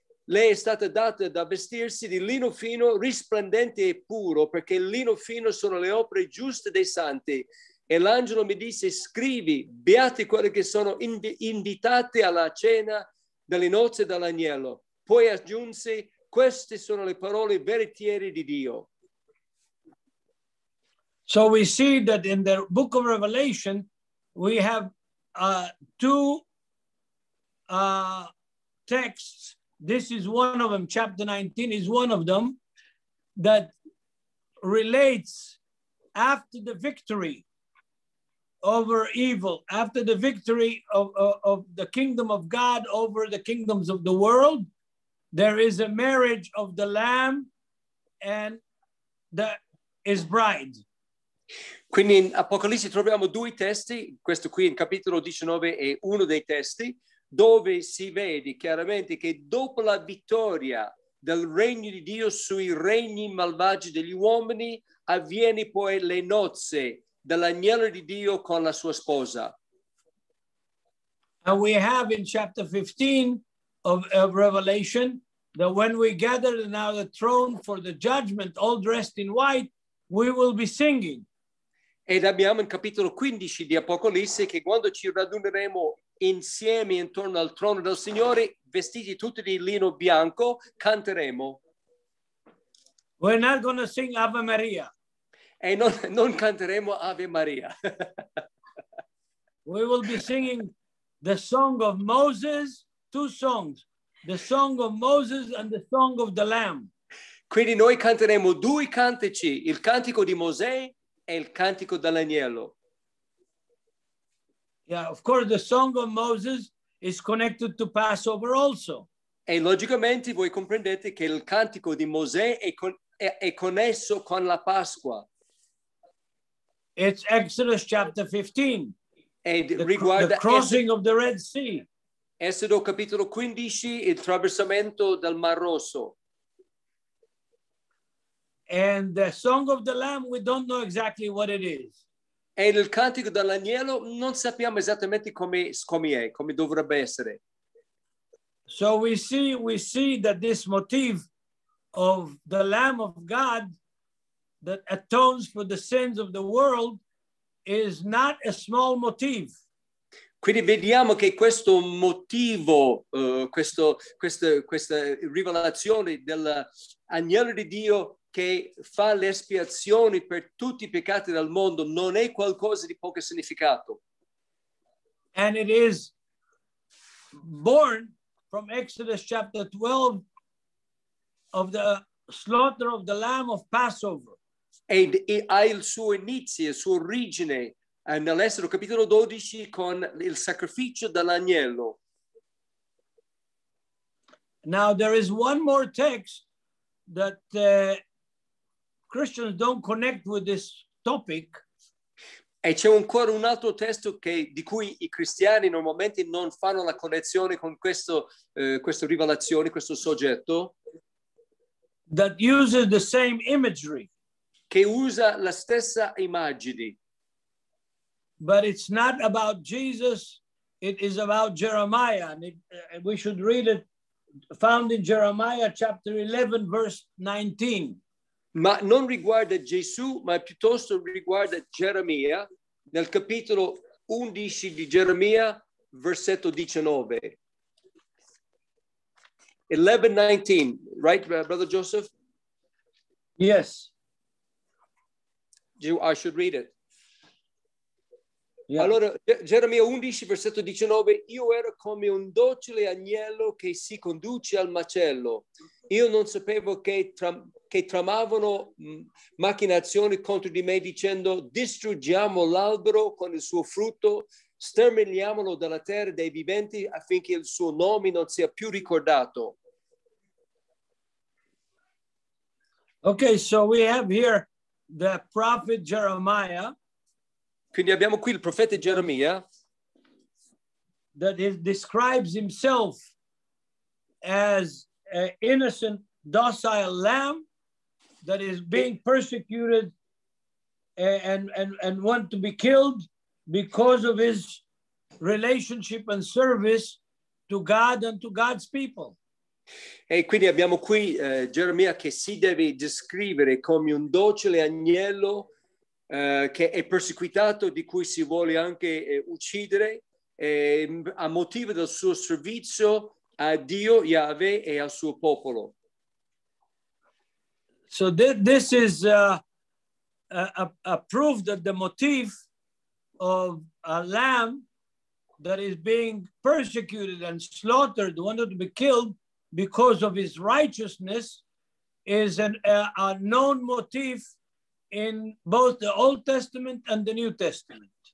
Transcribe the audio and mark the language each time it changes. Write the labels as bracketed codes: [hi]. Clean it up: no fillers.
[it] Lei è stata data da vestirsi di lino fino, risplendente e puro, perché il lino fino sono le opere giuste dei santi. E l'angelo mi disse, scrivi, beati quelli che sono invitati alla cena delle nozze dell'agnello. Poi aggiunse, queste sono le parole veritiere di Dio. [en] So we see that in the book of Revelation, we have two texts. This is one of them, chapter 19 is one of them, that relates after the victory over evil, after the victory of the kingdom of God over the kingdoms of the world, there is a marriage of the Lamb and the his bride. [it] Quindi in Apocalisse troviamo due testi, questo qui in capitolo 19 è uno dei testi, dove si vede chiaramente che dopo la vittoria del regno di Dio sui regni malvagi degli uomini, avviene poi le nozze dell'agnello di Dio con la sua sposa. [en] And we have in chapter 15 of Revelation that when we gather now the throne for the judgment, all dressed in white, we will be singing. [it] Ed abbiamo in capitolo 15 di Apocalisse che quando ci raduneremo insieme intorno al trono del Signore, vestiti tutti di lino bianco, canteremo. [en] We're not going to sing Ave Maria. [it] E non canteremo Ave Maria. [en] We will be singing the song of Moses, two songs, the song of Moses and the song of the Lamb. [it] Quindi noi canteremo due cantici, il cantico di Mosè e il cantico dell'agnello. [en] Yeah, of course the song of Moses is connected to Passover also. [it] E logicamente voi comprendete che il cantico di Mosè è connesso con la Pasqua. [en] It's Exodus chapter 15. And [it] riguarda [en] the crossing of the Red Sea. [it] Esodo capitolo 15, il traversamento del Mar Rosso. [en] And the song of the Lamb, we don't know exactly what it is. [it] E il cantico dell'agnello non sappiamo esattamente come dovrebbe essere. [en] So we see that this motif of the Lamb of God that atones for the sins of the world is not a small motif. [it] Quindi vediamo che questo motivo, questa rivelazione dell'agnello di Dio che fa le espiazioni per tutti i peccati del mondo non è qualcosa di poco significato. [en] And it is born from Exodus chapter 12 of the slaughter of the lamb of Passover. And [it] ha il suo inizio, il suo origine, nell'Esodo capitolo 12 con il sacrificio dell'agnello. [en] Now there is one more text that Christians don't connect with this topic. [it] E c'è ancora un altro testo che, di cui i cristiani normalmente non fanno la connessione con questo questa rivelazione, questo soggetto. [en] That uses the same imagery. [it] Che usa la stessa immagine. [en] But it's not about Jesus, it is about Jeremiah. And we should read it, found in Jeremiah chapter 11, verse 19. [it] Ma non riguarda Gesù, ma piuttosto riguarda Geremia, nel capitolo 11 di Geremia, versetto 19. [en] 11:19, right, Brother Joseph? Yes. I should read it. Yeah. [it] Allora, Geremia 11, versetto 19, io ero come un docile agnello che si conduce al macello. Io non sapevo che tramavano macchinazioni contro di me dicendo distruggiamo l'albero con il suo frutto, sterminiamolo dalla terra dei viventi affinché il suo nome non sia più ricordato. [en] Okay, so we have here the prophet Jeremiah. [it] Quindi abbiamo qui il profeta Geremia. [en] That he describes himself as an innocent, docile lamb that is being persecuted and want to be killed because of his relationship and service to God and to God's people. [it] E quindi abbiamo qui Geremia che si deve descrivere come un docile agnello che è perseguitato, di cui si vuole anche uccidere, a motivo del suo servizio a Dio, Yahweh, e al suo popolo. [en] So this is a proof that the motif of a lamb that is being persecuted and slaughtered, wanted to be killed because of his righteousness, is a known motif in both the Old Testament and the New Testament.